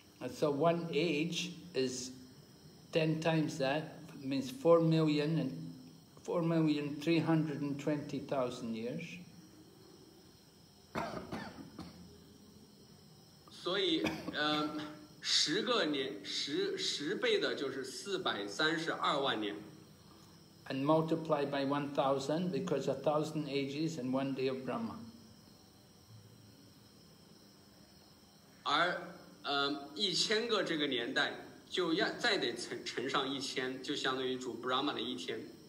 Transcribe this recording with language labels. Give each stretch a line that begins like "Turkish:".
English: So one age is 10 times that, means 4,320,000 years.
Chinese: 所以十个年十倍的就是432万年。
English: And multiply by 1,000 because 1,000 ages and one day of Brahma.
Chinese: 而一千个这个年代就要再得乘上一千，就相当于主 Brahma 的一天。